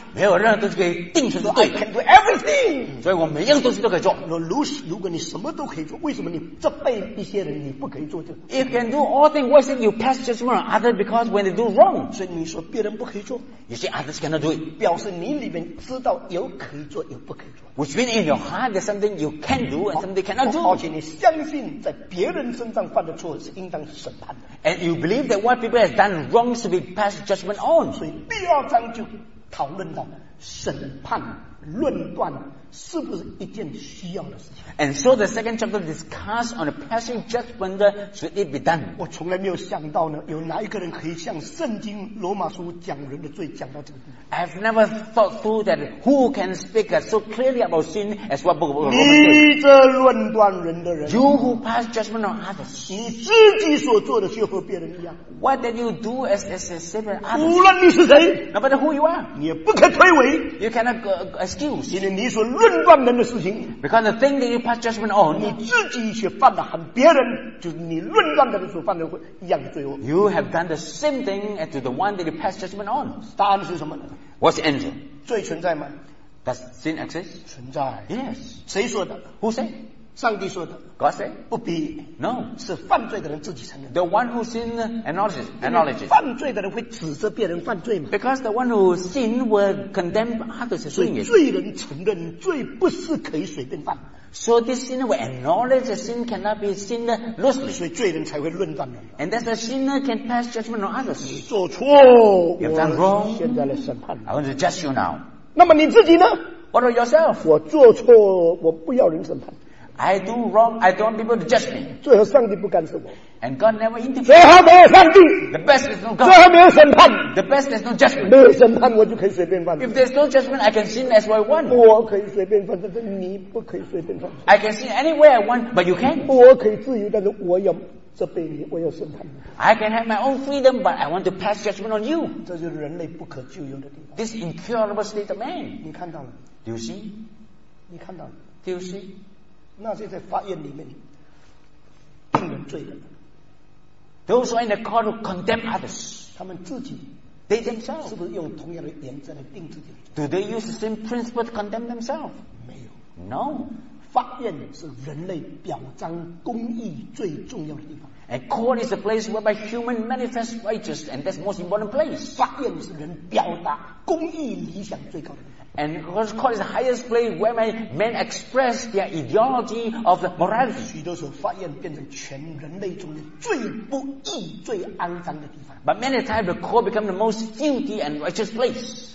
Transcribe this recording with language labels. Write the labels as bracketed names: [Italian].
[Chinese] 没有任何东西可以定罪是对。 [English] I can do everything. [Chinese] 所以我每样东西都可以做。如果你什么都可以做，为什么你这辈子一些人你不可以做这个 [English] ？If you can do all things, why should you pass judgment on others because when they do wrong? [Chinese] 所以你说别人不可以做。 [English] You see, others cannot do it. [Chinese] 表示你里面知道有可以做，有不可以做。 [English] Which means in your heart there's something you can do and something cannot do. [Chinese] 而且你相信在别人身上犯的错是应当审判的。 [English] And you believe that what people have done wrong should be passed judgment on. [Chinese] 所以第二章就讨论到审判论断是不是一件需要的事情。 [English] And so the second chapter discusses on a passing judgment should it be done. [Chinese] 我从来没有想到呢，有哪一个人可以像圣经罗马书讲人的罪讲到这个地步。 [English] I've never thought through that who can speak so clearly about sin as what Book of Romans. [Chinese] 你这论断人的人。 [English] You who pass judgment on others. [Chinese] 你自己所做的就和别人一样。 [English] What did you do as a separate others? [Chinese] 无论你是谁。 [English] No matter who you are. [Chinese] 你也不可推诿。 [English] You cannot excuse. [Chinese] 因为你所论断人的事情。 [English] Because the thing that you pass judgment on. [Chinese] 你自己却犯了和别人就是你论断的人所犯的一样的罪恶。 [English] You have done the same thing as to the one that you pass judgment on. [Chinese] 答案是什么呢？ [English] What's the answer? [Chinese] 罪存在吗？ [English] Does sin exist? [Chinese] 存在。 [English] Yes. [Chinese] 谁说的？ [English] Who say? [Chinese] 上帝说的。 [English] God say? [Chinese] 不必。 [English] No. [Chinese] 是犯罪的人自己承认。 [English] The one who sin acknowledges. [Chinese] 犯罪的人会指责别人犯罪吗？ [English] Because the one who sin will condemn others as doing it. [Chinese] 罪人承认罪不是可以随便犯。 [English] So this sinner will acknowledge that sin cannot be sin loosely. [Chinese] 所以罪人才会论断人。 [English] And that the sinner can pass judgment on others. [Chinese] 你做错。 [English] You've done wrong. [Chinese] 现在来审判。 [English] I want to judge you now. [Chinese] 那么你自己呢？ [English] What about yourself? [Chinese] 我做错，我不要人审判。 [English] I do wrong. I don't want people to judge me. [Chinese] 最后上帝不干涉我。 [English] And God never interferes. [Chinese] 最后没有上帝。 [English] The best is no God. [Chinese] 最后没有审判。 [English] The best is no judgment. [Chinese] 没有审判，我就可以随便犯。 [English] If there's no judgment, I can sin as I want. [Chinese] 我可以随便犯，但是你不可以随便犯。 [English] I can sin anywhere I want, but you can't. [Chinese] 我可以自由，但是我要责备你，我要审判你。 [English] I can have my own freedom, but I want to pass judgment on you. [Chinese] 这就是人类不可救药的地方。 [English] This incurable state of man. [Chinese] 你看到了。 [English] Do you see? [Chinese] 你看到了。 [English] Do you see? [Chinese] 那些在法院里面定人罪的 [English] Those are in the court to condemn others [Chinese] 他们自己 [English] They themselves [Chinese] 是不是用同样的原则来定自己的罪 [English] Do they use the same principle to condemn themselves [Chinese] 没有 [English] No [Chinese] 法院是人类表彰公义最重要的地方 [English] A court is a place whereby human manifests righteous and that's the most important place [Chinese] 法院是人表达公义理想最高的地方 [English] And God's court is the highest place where my men express their ideology of the morality. [Chinese] 许多时候，法院变成全人类中最不义、最肮脏的地方。 [English] But many times, the court becomes the most filthy and righteous place.